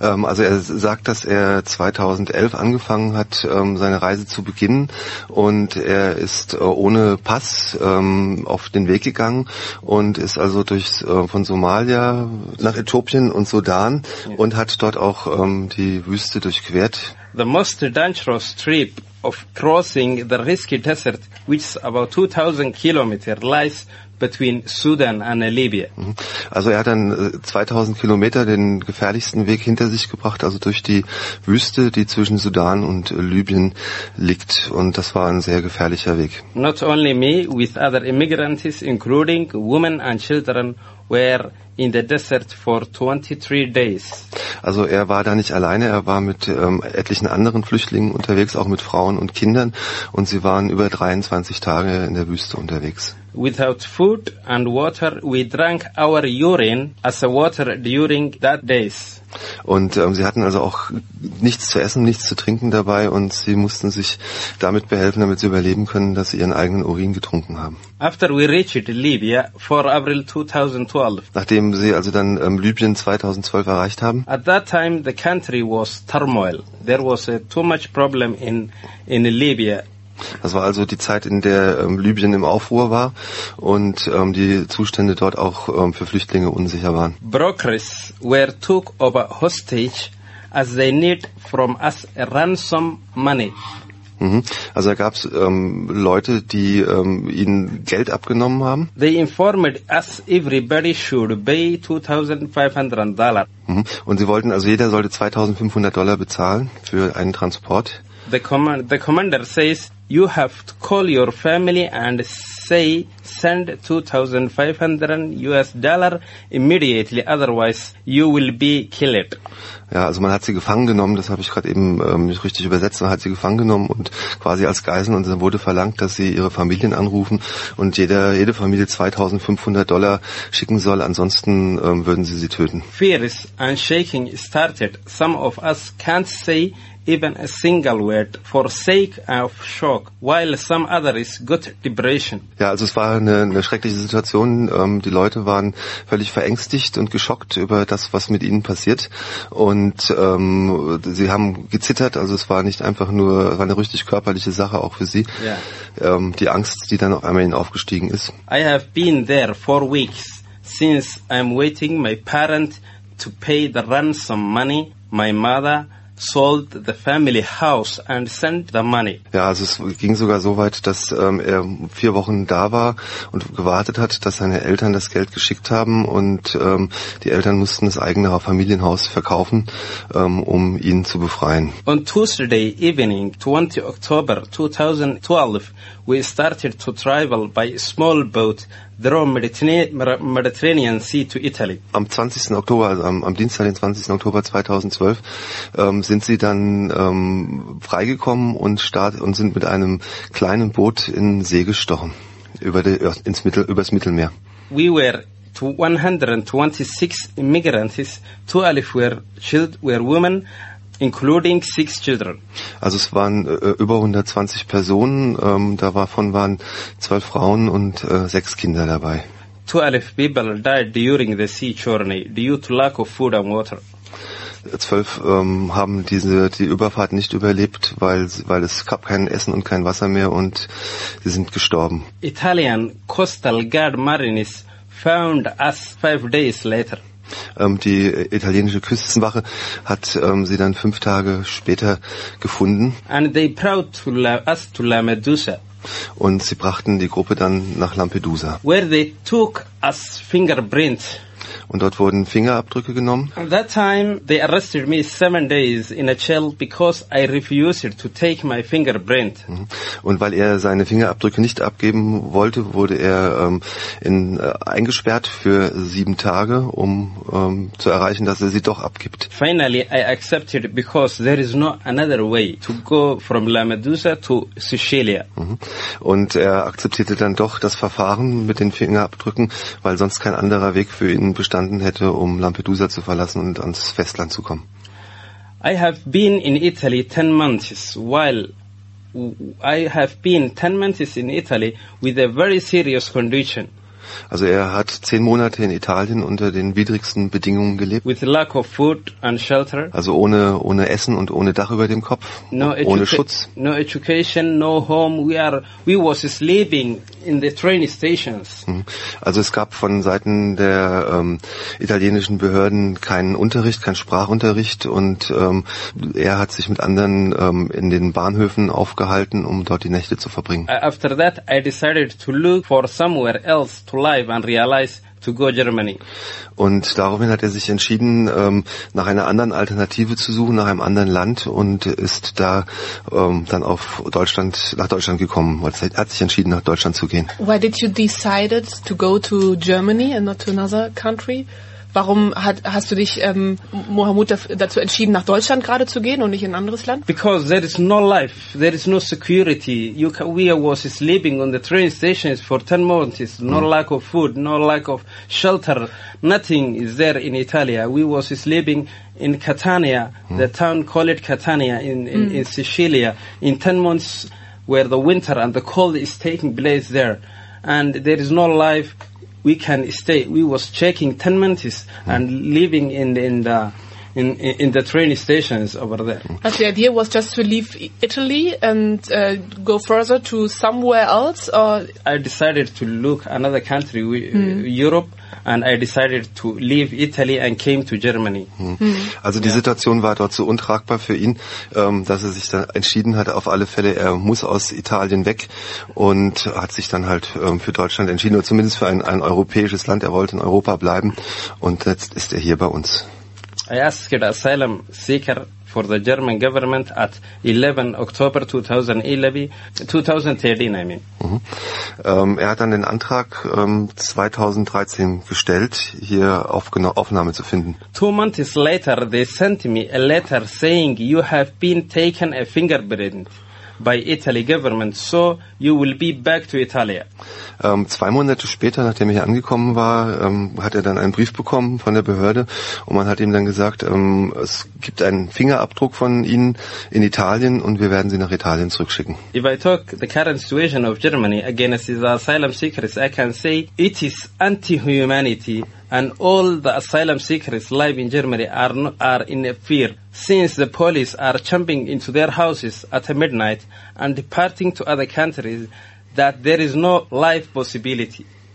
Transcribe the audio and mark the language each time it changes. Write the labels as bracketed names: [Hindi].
[German] Also er sagt, dass er 2011 angefangen hat, seine Reise zu beginnen, und er ist ohne Pass auf den Weg gegangen und ist also durchs von Somalia nach Äthiopien und Sudan, [English] yes, [German] und hat dort auch die Wüste durchquert. [English] The most dangerous trip of crossing the risky desert, which is about 2000 kilometers, lies between Sudan and Libya. [German] Also er hat dann 2000 Kilometer den gefährlichsten Weg hinter sich gebracht, also durch die Wüste, die zwischen Sudan und Libyen liegt. Und das war ein sehr gefährlicher Weg. [English] Not only me, with other immigrants, including women and children, were in the desert for 23 days. [German] Also er war da nicht alleine, er war mit etlichen anderen Flüchtlingen unterwegs, auch mit Frauen und Kindern, und sie waren über 23 Tage in der Wüste unterwegs. [English] Without food and water, we drank our urine as a water during that days. [German] Und sie hatten also auch nichts zu essen, nichts zu trinken dabei, und sie mussten sich damit behelfen, damit sie überleben können, dass sie ihren eigenen Urin getrunken haben. [English] After we reached Libya for April 2012. [German] Nachdem sie also dann Libyen 2012 erreicht haben. [English] At that time the country was turmoil. There was too much problem in Libya. [German] Das war also die Zeit, in der Libyen im Aufruhr war und die Zustände dort auch für Flüchtlinge unsicher waren. [English] Brokers were took over hostage as they need from us ransom money. [German] Also da gab es Leute, die ihnen Geld abgenommen haben. [English] They informed us everybody should pay $2,500. [German] Und sie wollten, also jeder sollte $2,500 bezahlen für einen Transport. [English] The commander says, you have to call your family and say, send $2,500 immediately, otherwise you will be killed. [German] Ja, also man hat sie gefangen genommen, das habe ich gerade eben nicht richtig übersetzt, man hat sie gefangen genommen und quasi als Geiseln, und dann wurde verlangt, dass sie ihre Familien anrufen und jede Familie $2,500 schicken soll, ansonsten würden sie töten. [English] Fears and shaking started. Some of us can't say even a single word for sake of shock, while some others got depression. [German] Ja, also es war eine schreckliche Situation. Die Leute waren völlig verängstigt und geschockt über das, was mit ihnen passiert. Und sie haben gezittert, also es war nicht einfach nur, es war eine richtig körperliche Sache auch für sie. [English] Yeah. [German] Die Angst, die dann auf einmal ihnen aufgestiegen ist. [English] I have been there for weeks since I'm waiting my parent to pay the ransom money. My mother sold the family house and sent the money. [German] Ja, also es ging sogar so weit, dass er 4 Wochen da war und gewartet hat, dass seine Eltern das Geld geschickt haben, und die Eltern mussten das eigene Familienhaus verkaufen, um ihn zu befreien. [English] On Tuesday evening, 20 October 2012, we started to travel by a small boat through Mediterranean Sea to Italy. [German] Am 20. Oktober, also am Dienstag, den 20. Oktober 2012, sind sie dann freigekommen und sind mit einem kleinen Boot in See gestochen, übers Mittelmeer. [English] We were to 126 immigrants, 12 were women, including 6 children. [German] Also es waren über 120 Personen, davon waren 12 Frauen und 6 Kinder dabei. [English] 12 people died during the sea journey due to lack of food and water. [German] 12 haben die Überfahrt nicht überlebt, weil es gab kein Essen und kein Wasser mehr, und sie sind gestorben. [English] Italian Coastal Guard Marines found us 5 days later. [German] Die italienische Küstenwache hat sie dann 5 Tage später gefunden. [English] And they brought us to Lampedusa. [German] Und sie brachten die Gruppe dann nach Lampedusa. [English] Where they took us fingerprints. [German] Und dort wurden Fingerabdrücke genommen. [English] At that time they arrested me 7 days in a jail because I refused to take my fingerprint. [German] Und weil er seine Fingerabdrücke nicht abgeben wollte, wurde er eingesperrt für 7 Tage, um zu erreichen, dass er sie doch abgibt. [English] Finally I accepted because there is no another way to go from Lampedusa to Sicilia. [German] Und er akzeptierte dann doch das Verfahren mit den Fingerabdrücken, weil sonst kein anderer Weg für ihn bestanden hätte, um Lampedusa zu verlassen und ans Festland zu kommen. [English] I have been in Italy 10 months while I have been 10 months in Italy with a very serious condition. [German] Also er hat 10 Monate in Italien unter den widrigsten Bedingungen gelebt. With lack of food and shelter. Also ohne Essen und ohne Dach über dem Kopf. [English] No [German] ohne Schutz. [English] No education, no home. We was sleeping in the train stations. [German] Also es gab von Seiten der italienischen Behörden keinen Unterricht, keinen Sprachunterricht und er hat sich mit anderen in den Bahnhöfen aufgehalten, um dort die Nächte zu verbringen. [English] After that I decided to look for somewhere else to live and realize to go to Germany. [German] Und daraufhin hat er sich entschieden, nach einer anderen Alternative zu suchen, nach einem anderen Land und ist da dann auf Deutschland, nach Deutschland gekommen. Er hat sich entschieden, nach Deutschland zu gehen. [English] Why did you decide to go to Germany and not to another country? [German] Warum hast du dich, Mohammed, dazu entschieden, nach Deutschland gerade zu gehen und nicht in ein anderes Land? [English] Because there is no life, there is no security. We were sleeping on the train stations for 10 months. No lack of food, no lack of shelter. Nothing is there in Italia. We were sleeping in Catania, the town called Catania in Sicilia. In 10 months, where the winter and the cold is taking place there, and there is no life. We can stay. We was checking 10 months and living in the train stations over there. But the idea was just to leave Italy and go further to somewhere else. Or I decided to look another country, Europe. And I decided to leave Italy and came to Germany. [German] Also die Situation war dort so untragbar für ihn, dass er sich dann entschieden hat, auf alle Fälle, er muss aus Italien weg und hat sich dann halt für Deutschland entschieden, oder zumindest für ein europäisches Land. Er wollte in Europa bleiben und jetzt ist er hier bei uns. [English] I asked asylum seeker for the German government at 11 October 2013. [German] Er hat dann den Antrag 2013 gestellt, hier Aufnahme zu finden. [English] 2 months later, they sent me a letter saying you have been taken a fingerprint by Italy government, so you will be back to Italy. [German] 2 Monate später, nachdem er hier angekommen war, hat er dann einen Brief bekommen von der Behörde und man hat ihm dann gesagt, es gibt einen Fingerabdruck von Ihnen in Italien und wir werden Sie nach Italien zurückschicken. [English] If I talk the current situation of Germany against the asylum seekers, I can say it is anti-humanity and all the asylum seekers live in Germany are in fear. Since the police are jumping into their houses at midnight and departing to other countries, that there is no life possibility.